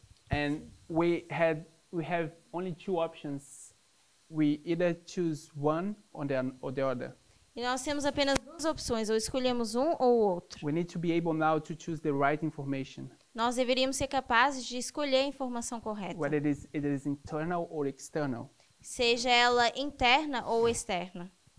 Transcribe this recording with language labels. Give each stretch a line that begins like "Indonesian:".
English: And we have only two options. We either choose one or the other.
Portuguese: E nós temos apenas duas opções, ou escolhemos um ou outro.
English: We need to be able now to choose the right information.
Portuguese: Nós deveríamos ser capazes de escolher a informação correta.
English: Whether it is internal or external.
Portuguese: Seja ela interna ou externa.